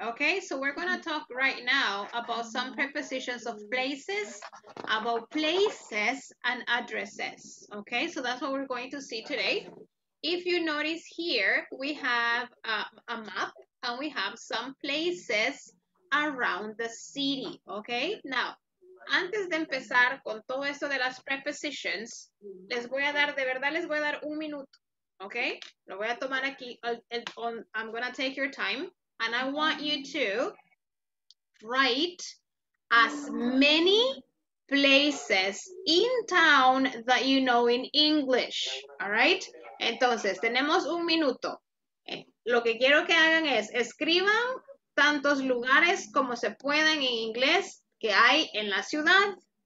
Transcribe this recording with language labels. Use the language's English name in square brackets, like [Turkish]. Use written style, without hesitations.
[English] Okay, so we're gonna talk right now about some prepositions of places, about places and addresses. Okay, so that's what we're going to see today. If you notice here, we have a map and we have some places around the city, okay? [Spanish] Now, antes de empezar con todo esto de las prepositions, les voy a dar, de verdad les voy a dar un minuto, okay? Lo voy a tomar aquí, [English] I'm gonna take your time, and I want you to write as many places in town that you know in English, all right? [Spanish] Entonces, tenemos un minuto. Lo que quiero que hagan es escriban tantos lugares como se puedan en inglés que hay en la ciudad.